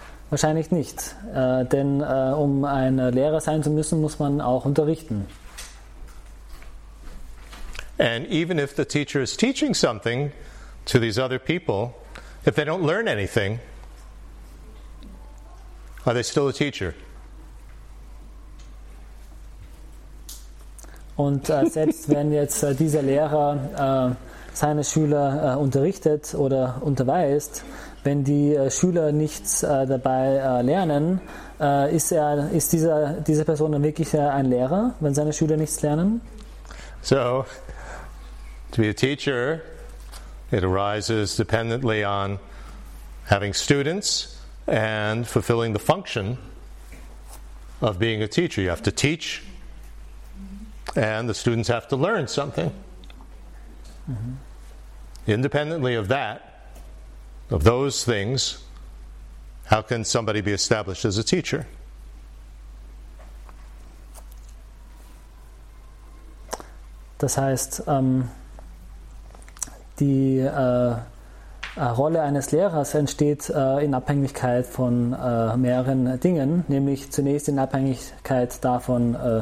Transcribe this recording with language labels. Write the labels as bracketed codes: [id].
[de] Wahrscheinlich nicht, denn um ein Lehrer sein zu müssen, muss man auch unterrichten. [en] And even if the teacher is teaching something to these other people, if they don't learn anything, are they still a teacher? [de] Und selbst wenn jetzt dieser Lehrer seine Schüler unterrichtet oder unterweist, wenn die Schüler nichts dabei lernen, ist diese Person dann wirklich ein Lehrer, wenn seine Schüler nichts lernen? [en] So, to be a teacher, it arises dependently on having students and fulfilling the function of being a teacher. You have to teach, and the students have to learn something. Mm-hmm. Independently of that, of those things, how can somebody be established as a teacher? [de] Das heißt, die Rolle eines Lehrers entsteht in Abhängigkeit von mehreren Dingen, nämlich zunächst in Abhängigkeit davon,